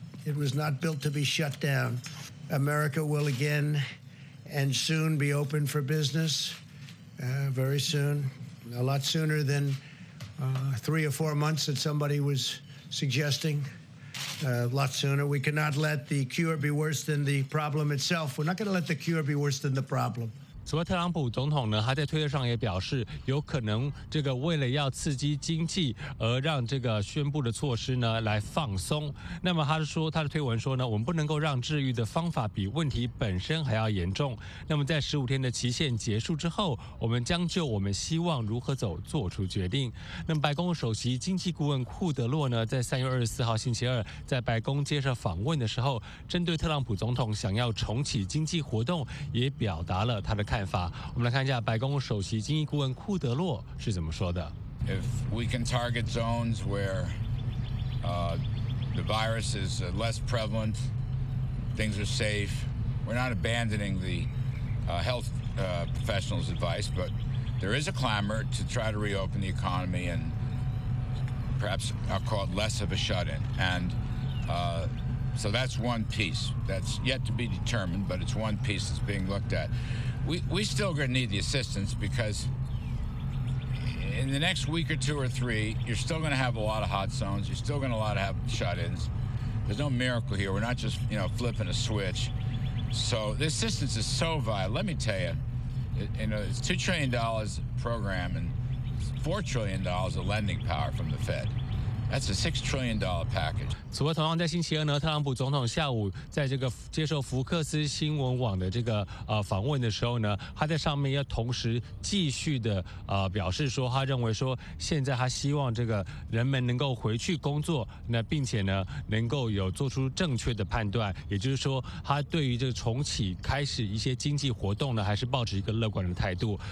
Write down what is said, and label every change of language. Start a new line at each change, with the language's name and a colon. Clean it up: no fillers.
English: It was not built to be shut down. America will again and soon be open for business, very soon, a lot sooner than 3 or 4 months that somebody was suggesting, a lot sooner. We cannot let the cure be worse than the problem itself. We're not going to let the cure be worse than the problem.
Chinese: 此外，特朗普总统呢，他在推特上也表示，有可能这个为了要刺激经济而让这个宣布的措施呢来放松。那么他是说，他的推文说呢，我们不能够让治愈的方法比问题本身还要严重。那么在15天的期限结束之后，我们将就我们希望如何走做出决定。那么白宫首席经济顾问库德洛呢，在3月24号星期二在白宫接受访问的时候，针对特朗普总统想要重启经济活动，也表达了他的看法。我们来看一下白宫首席经济顾问库德洛是怎么说的。
English: If we can target zones where the virus is less prevalent, things are safe, we're not abandoning the health professionals' advice, but there is a clamor to try to reopen the economy and perhaps I'll call it less of a shut-in. And so that's one piece that's yet to be determined, but it's one piece that's being looked at. We still gonna need the assistance because in the next week or two or three, you're still gonna have a lot of hot zones. You're still gonna have shut-ins. There's no miracle here. We're not just, you know, flipping a switch. So the assistance is so vital. Let me tell you, it's $2 trillion program and $4 trillion of lending power from the Fed. That's a $6 trillion package.
Chinese: 此外，同样在星期二呢，特朗普总统下午在这个接受福克斯新闻网的这个访问的时候呢，他在上面要同时继续的表示说，他认为说现在他希望这个人们能够回去工作，那并且呢能够有做出正确的判断，也就是说他对于这个重启开始一些经济活动呢，还是抱持一个乐观的态度。